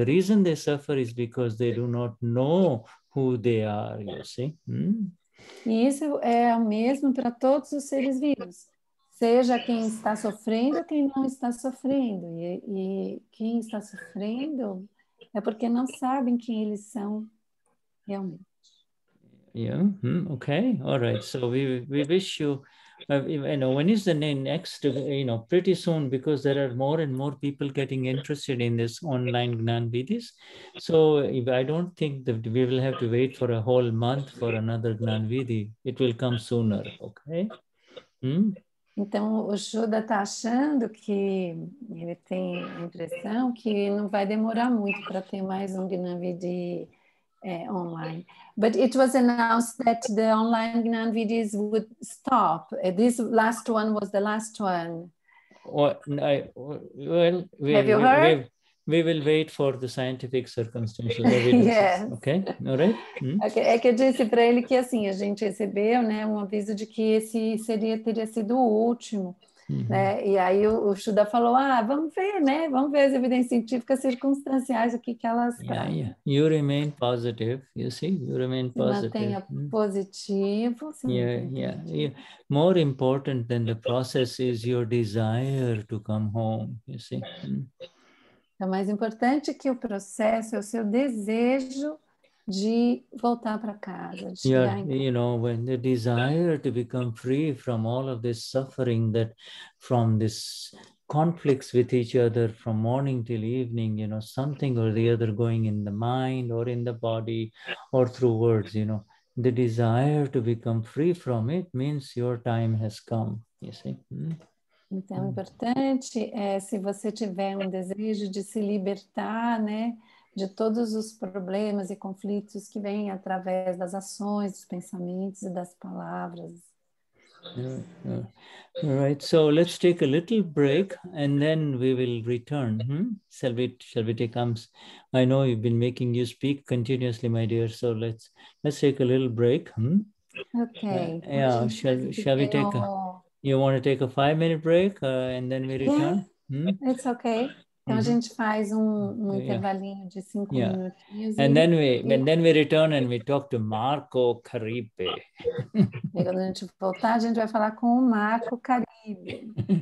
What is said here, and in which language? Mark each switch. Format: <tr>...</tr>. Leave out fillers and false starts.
<en>The reason they suffer is because they do not know who they are, you see?</en> <pt>E isso é o mesmo para todos os seres vivos, seja quem está sofrendo ou quem não está sofrendo. E quem está sofrendo é porque não sabem quem eles são realmente.</pt> <en>Yeah, okay, all right. So we wish you, when is the next, pretty soon, because there are more and more people getting interested in this online Gnan Vidhis. So I don't think that we will have to wait for a whole month for another Gnan Vidhi. It will come sooner, okay?</en> <pt>Então, o Shuddha está achando que ele tem a impressão que não vai demorar muito para ter mais Gnan Vidhi online.</pt> <en>But it was announced that the online Gnan Vidhis would stop. This last one was the last one. We will wait for the scientific circumstances. Yes. Okay, all right? Okay.</en> <pt>É que eu disse para ele que assim, a gente recebeu, né, um aviso de que esse teria sido o último. Né? E aí o Shuddha falou, vamos ver, né? Vamos ver as evidências científicas circunstanciais, o que que elas trazem.</pt> <en>Yeah. You remain positive, you see? You remain positive.</en> <pt>Mantenha positivo. Sim.</pt> <en>Yeah. More important than the process is your desire to come home, you see?</en> <pt>É mais importante que o processo, é o seu desejo de voltar para casa.</pt> <en>When the desire to become free from all of this suffering, that from this conflicts with each other from morning till evening, you know, something or the other going in the mind or in the body or through words, you know, the desire to become free from it means your time has come, you see.</en> <pt>Então, importante é se você tiver um desejo de se libertar, né, de todos os problemas e conflitos que vêm através das ações, dos pensamentos e das palavras.</pt> <en>All right, so let's take a little break and then we will return. Shall we take comes? I know you've been making you speak continuously, my dear, so let's take a little break. Okay. Shall we take a... You want to take a 5-minute break and then we return? It's okay.</en> <pt>Então, a gente faz um intervalinho de cinco minutinhos.</pt> <en>And then we return and we talk to Marco Caribe.</en> <pt>E quando a gente voltar, a gente vai falar com o Marco Caribe.</pt>